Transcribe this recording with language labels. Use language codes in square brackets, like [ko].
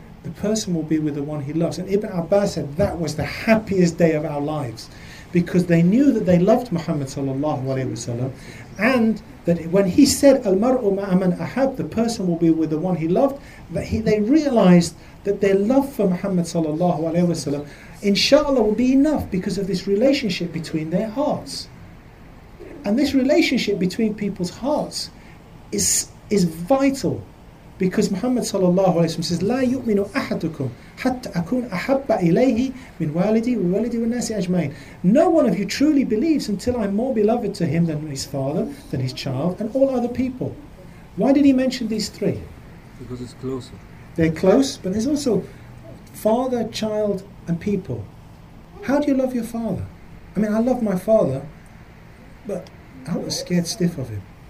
[en] The person will be with the one he loves. And Ibn Abbas said that was the happiest day of our lives, because they knew that they loved Muhammad sallallahu alayhi wa sallam, and that when he said [ar] al-mar'u ma'a man ahab, [en] the person will be with the one he loved, that they realized that their love for Muhammad sallallahu alayhi wa sallam, inshallah, will be enough because of this relationship between their hearts. And this relationship between people's hearts is vital. Because Muhammad sallallahu alayhi wa sallam says, [ar] لَا يُؤْمِنُ أَحَدُكُمْ حَتَّى أَكُونَ أَحَبَّ إِلَيْهِ مِنْ وَالِدِي وَوَالِدِي وَالنَّاسِ أَجْمَعِينَ. [en] No one of you truly believes until I'm more beloved to him than his father, than his child, and all other people. Why did he mention these three? Because it's closer. They're close, but there's also father, child, and people. How do you love your father? I mean, I love my father, but I was scared stiff of him.